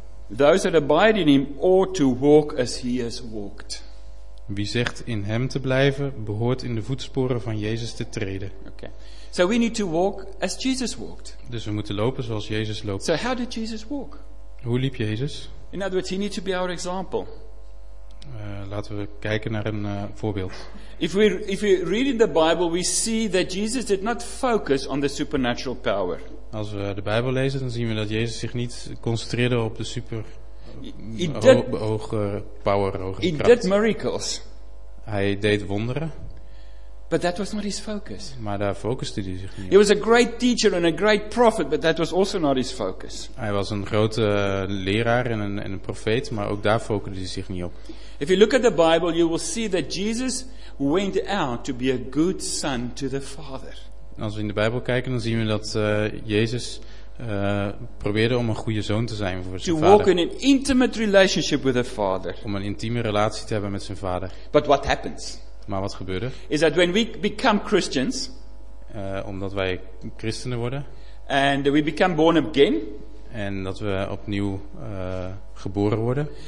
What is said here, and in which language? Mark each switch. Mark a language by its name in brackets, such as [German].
[English] Those that abide in him ought to walk as he has walked. [Dutch] Wie zegt in hem te blijven, behoort in de voetsporen van Jezus te treden. [English] Okay. So we need to walk as Jesus walked. [Dutch] Dus we moeten lopen zoals Jezus loopt. [English] So how did Jesus walk? [Dutch] Hoe liep Jezus? [English] In other words, he needs to be our example. [Dutch] Laten we kijken naar een voorbeeld. [English] If we read in the Bible, we see that Jesus did not focus on the supernatural power. [Dutch] Als we de Bijbel lezen, dan zien we dat Jezus zich niet concentreerde op de super. [English] He did miracles. [Dutch] Hij deed wonderen. [English] But that was not his focus. [Dutch] Maar daar focuste hij zich niet. [English] He was a great teacher and a great prophet, but that was also not his focus. [Dutch] Hij was een grote leraar en een profeet, maar ook daar focuste hij zich niet op. [English] If you look at the Bible, you will see that Jesus went out to be a good son to the Father. [Dutch] Als we in de Bijbel kijken, dan zien we dat Jezus probeerde om een goede zoon te zijn voor zijn [English] to [Dutch] vader. [English] Walk in an intimate relationship with the Father. [Dutch] Om een intieme relatie te hebben met zijn vader. [English] But what happens? [Dutch] Maar wat gebeurt er? [English] Is that when we become Christians? [Dutch] Omdat wij christenen worden. [English] And we become born again. [Dutch] En dat we opnieuw geboren worden.